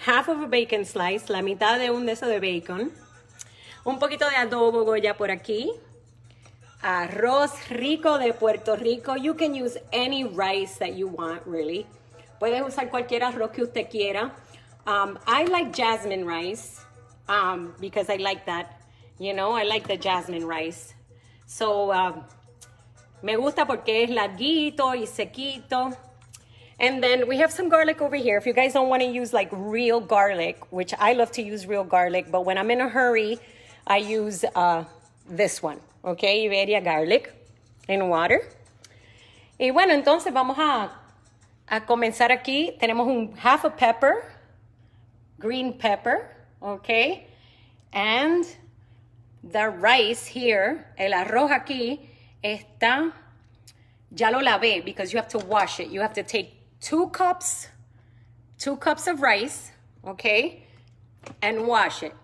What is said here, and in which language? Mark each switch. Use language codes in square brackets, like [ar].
[en] Half of a bacon slice, [es] la mitad de un de esos de bacon. Un poquito de adobo Goya por aquí. Arroz rico de Puerto Rico. [en] You can use any rice that you want, really. [es] Puedes usar cualquier arroz que usted quiera. [en] I like jasmine rice because I like that. You know, I like the jasmine rice. So, [es] me gusta porque es larguito y sequito. [en] And then we have some garlic over here. If you guys don't want to use like real garlic, which I love to use real garlic, but when I'm in a hurry, I use this one, ok, Iberia garlic in water. [es] Y bueno, entonces vamos a comenzar aquí. Tenemos un [en] half a pepper, green pepper, ok, and the rice here, [es] el arroz aquí está, ya lo lavé, [en] because you have to wash it. You have to take two cups of rice, ok, and wash it.